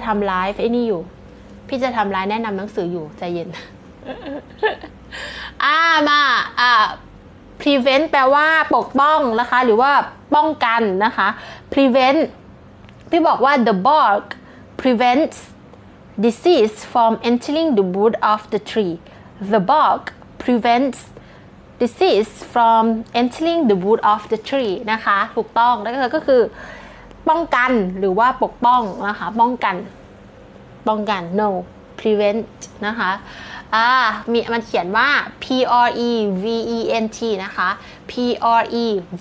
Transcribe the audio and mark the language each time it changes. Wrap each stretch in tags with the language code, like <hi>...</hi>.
<th>ลฟ์ไอ้นี่อยู่พี่จะทำไลฟ์แนะนำหนังสืออยู่ใจเย็น มา prevent แปลว่าปกป้องนะคะหรือว่าป้องกันนะคะ prevent พี่บอกว่า</th> <en>the bark preventsDisease from entering the wood of the tree. The bark prevents disease from entering the wood of the tree.</en> <th>นะคะถูกต้องแล้วก็คือป้องกันหรือว่าปกป้องนะคะป้องกัน no prevent นะคะมีมันเขียนว่า prevent นะคะ prevent</th>